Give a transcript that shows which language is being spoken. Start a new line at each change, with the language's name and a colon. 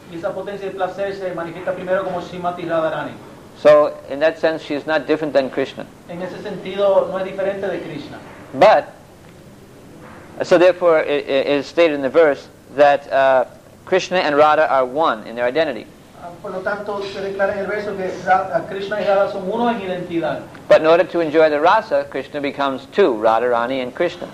Spanish: Y esa potencia de placer se manifiesta primero como Srimati Radharani.
English: So, in that sense, she is not different than Krishna.
Spanish: En ese sentido, no es diferente de Krishna.
English: But, so therefore, it is stated in the verse that Krishna and Radha are one in their identity.
Spanish: Por lo tanto, se declara en el verso que Krishna y Radha son uno en identidad.
English: But in order to enjoy the rasa, Krishna becomes two, Radharani and Krishna.